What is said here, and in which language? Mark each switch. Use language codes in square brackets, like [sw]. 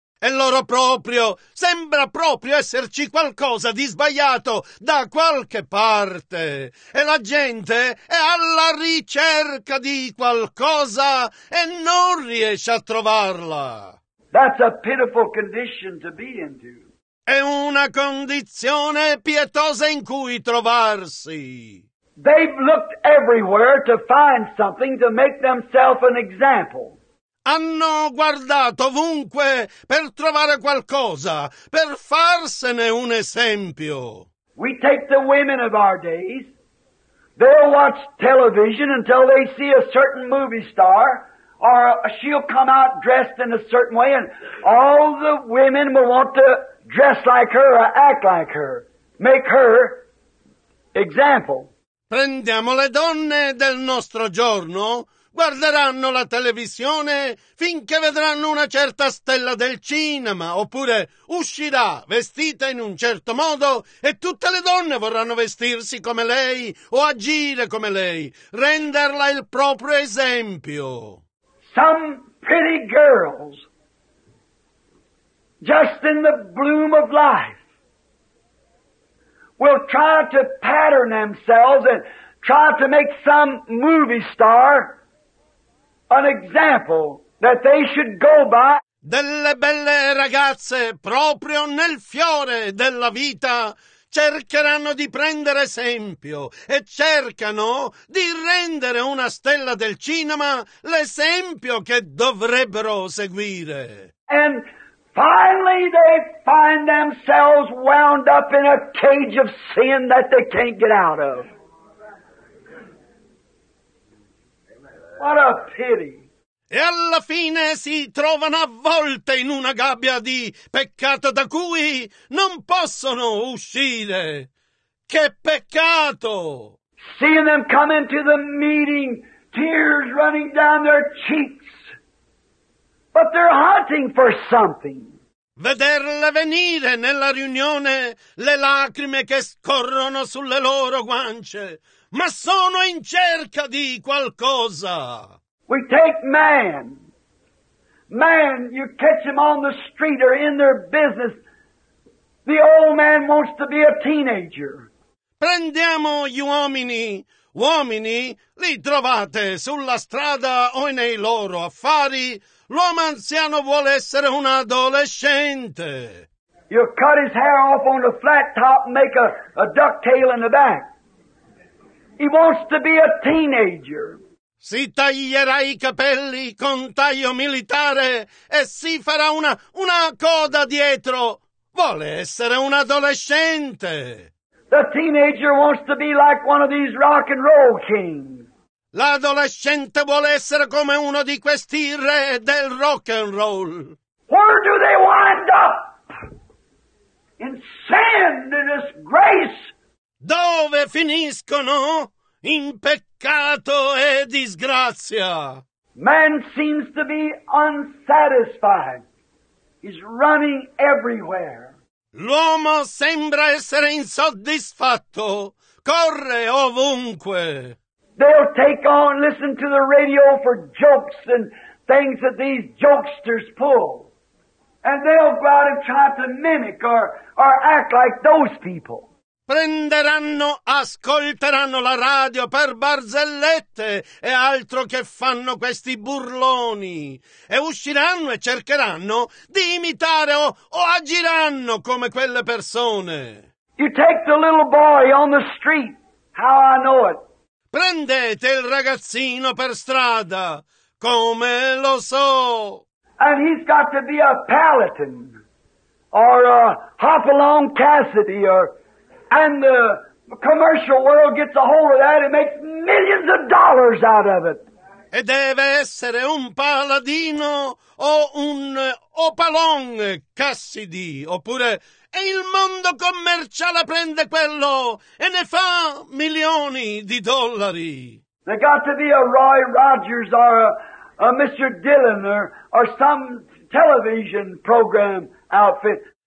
[it] E loro proprio, sembra proprio esserci qualcosa di sbagliato da qualche parte. E la gente è alla ricerca di qualcosa e non riesce a trovarla. [en] That's a pitiful condition to be into. [it] È una condizione pietosa in cui trovarsi. [en] They've looked everywhere to find something to make themselves an example. [it] Hanno guardato ovunque per trovare qualcosa, per farsene un esempio. [en] We take the women of our days. They'll watch television until they see a certain movie star, or she'll come out dressed in a certain way, and all the women will want to dress like her or act like her, make her example. [it] Prendiamo le donne del nostro giorno. Guarderanno la televisione finché vedranno una certa stella del cinema, oppure uscirà vestita in un certo modo e tutte le donne vorranno vestirsi come lei o agire come lei, renderla il proprio esempio. [en] Some pretty girls, just in the bloom of life, will try to pattern themselves and try to make some movie star an example that they should go by. [it] Delle belle ragazze, proprio nel fiore della vita, cercheranno di prendere esempio e cercano di rendere una stella del cinema l'esempio che dovrebbero seguire. [en] And finally they find themselves wound up in a cage of sin that they can't get out of. What a pity. [it] E alla fine si trovano avvolte in una gabbia di peccato da cui non possono uscire. Che peccato! [en] Seeing them come into the meeting, tears running down their cheeks. But they're hunting for something. [it] Vederle venire nella riunione, le lacrime che scorrono sulle loro guance. Ma sono in cerca di qualcosa. [en] We take man, you catch him on the street or in their business. The old man wants to be a teenager. [it] Prendiamo gli uomini, li trovate sulla strada o nei loro affari. L'uomo anziano vuole essere un adolescente. [en] You cut his hair off on the flat top and make a ducktail in the back. He wants to be a teenager. [it] Si taglierà i capelli con taglio militare e si farà una coda dietro. Vuole essere un adolescente. [en] The teenager wants to be like one of these rock and roll kings. [it] L'adolescente vuole essere come uno di questi re del rock and roll. [en] Where do they wind up? In sin, in disgrace. [it] Dove finiscono? In peccato e disgrazia. [en] Man seems to be unsatisfied. He's running everywhere. [it] L'uomo sembra essere insoddisfatto. Corre ovunque. [en] They'll take on, listen to the radio for jokes and things that these jokesters pull. And they'll go out and try to mimic or act like those people. [it] Prenderanno, ascolteranno la radio per barzellette e altro che fanno questi burloni. E usciranno e cercheranno di imitare o agiranno come quelle persone. [en] You take the little boy on the street. How I know it. [it] Prendete il ragazzino per strada, come lo so. [en] And he's got to be a Paladin, or a Hopalong Cassidy, or, and the commercial world gets a hold of that and makes millions of dollars out of it. [it] E deve essere un paladino o un Hopalong Cassidy, oppure, e il mondo commerciale prende quello e ne fa milioni di dollari. [en] They got to be a Roy Rogers or a Mr. Dillon or some television program outfit.